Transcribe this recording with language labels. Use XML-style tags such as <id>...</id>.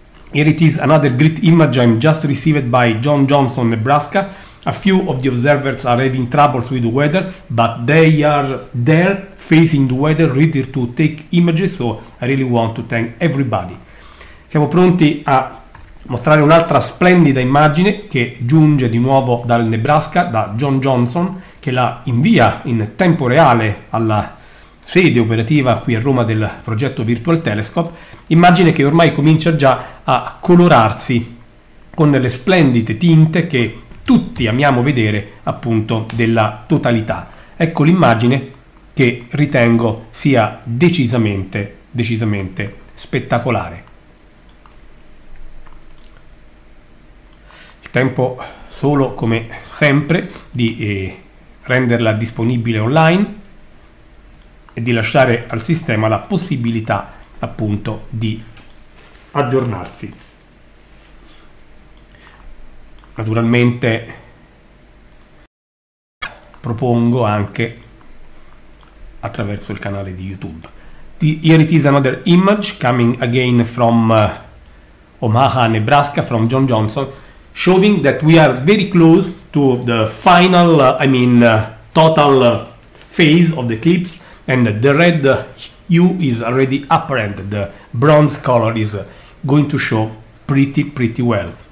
<en>Here it is, another great image I'm just received by John Johnson, Nebraska. A few of the observers are having troubles with the weather, but they are there facing the weather, ready to take images, so I really want to thank everybody.</en> <it>Siamo pronti a mostrare un'altra splendida immagine che giunge di nuovo dal Nebraska, da John Johnson, che la invia in tempo reale alla sede operativa qui a Roma del progetto Virtual Telescope, immagine che ormai comincia già a colorarsi con le splendide tinte che tutti amiamo vedere, appunto, della totalità. Ecco l'immagine che ritengo sia decisamente spettacolare. Il tempo solo, come sempre, di renderla disponibile online e di lasciare al sistema la possibilità, appunto, di aggiornarsi. Naturalmente propongo anche attraverso il canale di YouTube.</it> <en>Here it is, another image coming again from Omaha, Nebraska, from John Johnson, showing that we are very close to the final total phase of the eclipse. And the red hue is already apparent, the bronze color is going to show pretty well.</en>